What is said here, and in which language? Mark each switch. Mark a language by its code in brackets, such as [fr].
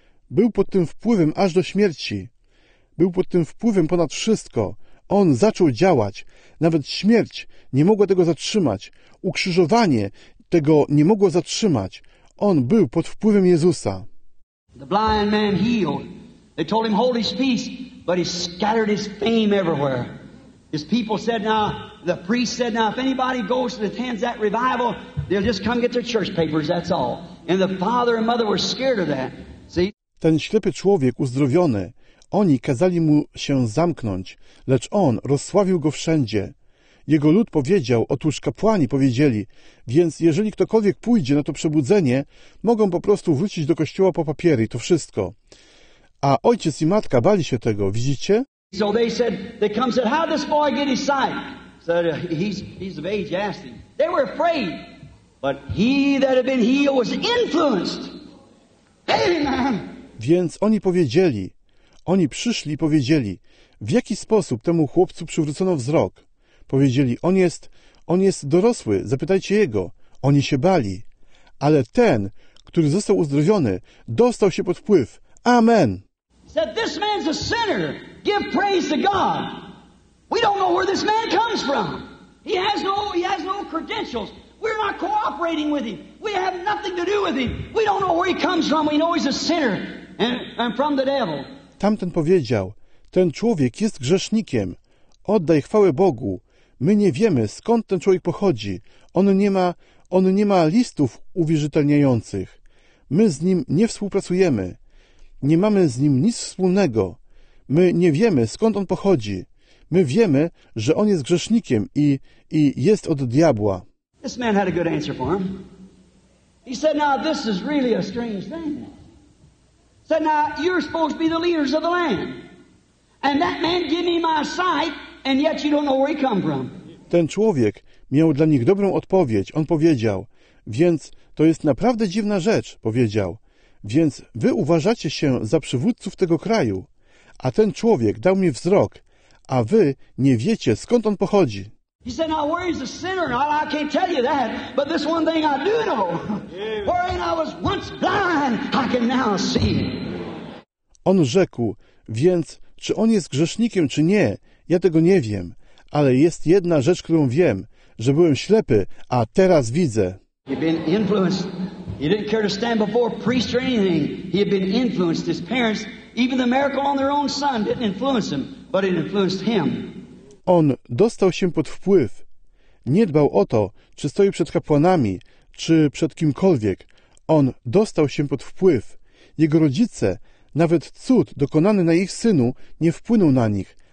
[pl] Był pod tym wpływem aż do śmierci. Był pod tym wpływem ponad wszystko. On zaczął działać. Nawet śmierć nie mogła tego zatrzymać. Ukrzyżowanie tego nie mogło zatrzymać. On był pod wpływem Jezusa. [en] The blind man healed. They told him, hold his peace, but he scattered his fame everywhere. His people said, now, the priest said, now, if anybody goes and attends that revival, they'll just come get their church papers, that's all. And the father and mother were scared of that. See? [pl] Ten ślepy człowiek uzdrowiony, oni kazali mu się zamknąć, lecz on rozsławił go wszędzie. Jego lud powiedział, otóż kapłani powiedzieli, więc jeżeli ktokolwiek pójdzie na to przebudzenie, mogą po prostu wrócić do kościoła po papiery, to wszystko. A ojciec i matka bali się tego, widzicie? [en] So they said, they come and said, how did this boy get his sight? Said, he's of age, asked him. They were afraid, but he that had been healed was influenced. Amen. [pl] Więc oni powiedzieli, oni przyszli i powiedzieli, w jaki sposób temu chłopcu przywrócono wzrok? Powiedzieli, on jest dorosły, zapytajcie jego. Oni się bali. Ale ten, który został uzdrowiony, dostał się pod wpływ. Amen. [en] Said, this man's a sinner. Give praise to God. We don't know where this man comes from. He has no credentials. We're not cooperating with him. We have nothing to do with him. We don't know where he comes from. We know he's a sinner and from the devil. [pl] Tamten powiedział, ten człowiek jest grzesznikiem. Oddaj chwałę Bogu. My nie wiemy, skąd ten człowiek pochodzi. On nie ma listów uwierzytelniających. My z nim nie współpracujemy. Nie mamy z nim nic wspólnego. My nie wiemy, skąd on pochodzi. My wiemy, że on jest grzesznikiem i jest od diabła. [en] This man had a good answer for him. He said, now this is really a strange thing. He said, now you're supposed to be the leaders of the land. And that man give me my sight. And yet you don't know where he come from. [pl] Ten człowiek miał dla nich dobrą odpowiedź. On powiedział, więc to jest naprawdę dziwna rzecz, powiedział. Więc wy uważacie się za przywódców tego kraju, a ten człowiek dał mi wzrok, a wy nie wiecie, skąd on pochodzi. [en] He said, now where is the sinner? I can't tell you that, but this one thing I do know. Wherein I was once blind, I can now see. [pl] On rzekł, więc czy on jest grzesznikiem, czy nie? Ja tego nie wiem, ale jest jedna rzecz, którą wiem, że byłem ślepy, a teraz widzę. [en] He'd been influenced. He didn't care to stand before a priest or anything. He had been influenced. His parents, even the miracle on their own son, didn't influence him, but it influenced him. [pl] On dostał się pod wpływ. Nie dbał o to, czy stoi przed kapłanami, czy przed kimkolwiek. On dostał się pod wpływ. Jego rodzice, nawet cud dokonany na ich synu, nie wpłynął na nich.